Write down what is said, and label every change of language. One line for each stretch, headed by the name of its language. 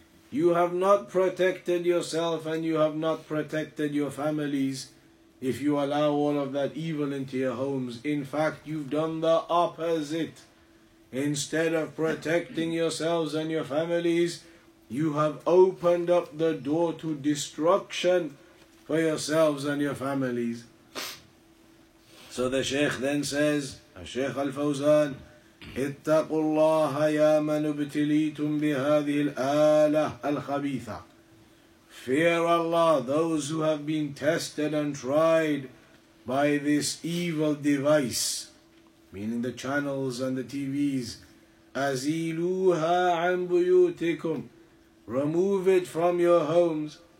English: You have not protected yourself and you have not protected your families if you allow all of that evil into your homes. In fact, you've done the opposite. Instead of protecting yourselves and your families, you have opened up the door to destruction for yourselves and your families. So the Shaykh then says, Shaykh Al-Fawzan,
Arabic: اتقوا الله يا من ابتليتم بهذه الآلة الخبيثة.
English: Fear Allah, those who have been tested and tried by this evil device, meaning the channels and the TVs.
Arabic: أزيلوها عن بيوتكم.
English: Remove it from your homes.